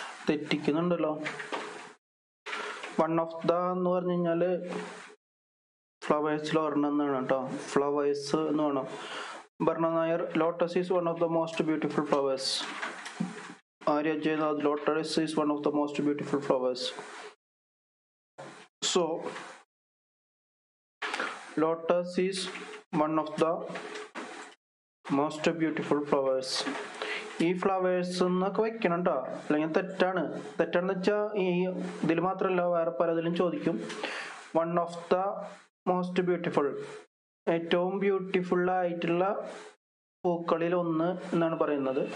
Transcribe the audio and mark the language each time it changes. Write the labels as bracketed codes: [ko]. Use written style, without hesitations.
[ml] തെറ്റിക്കുന്നുണ്ടല്ലോ. [en] one of the [ml] എന്ന് പറഞ്ഞു കഴിഞ്ഞാൽ ഫ്ലവേഴ്സിൽ ഒരെണ്ണമെന്നാണ് കേട്ടോ, ഫ്ലവേഴ്സ് എന്ന് വേണം. [en] Bharana Nair, lotus is one of the most beautiful flowers. Arya Jayanath, lotus is one of the most beautiful flowers. So, lotus is one of the most beautiful flowers. [ml] ഈ flowers എന്നൊക്കെ വെക്കണണ്ട, അല്ലെങ്കിൽ തെറ്റാണ്. തെറ്റാണെന്ന് വെച്ചാൽ ഈ ഇതിൽ മാത്രമല്ല, വേറെ പലതിലും ചോദിക്കും. [en] one of the most beautiful, [ml] ഏറ്റവും ബ്യൂട്ടിഫുൾ ആയിട്ടുള്ള പൂക്കളിൽ ഒന്ന് എന്നാണ് പറയുന്നത്.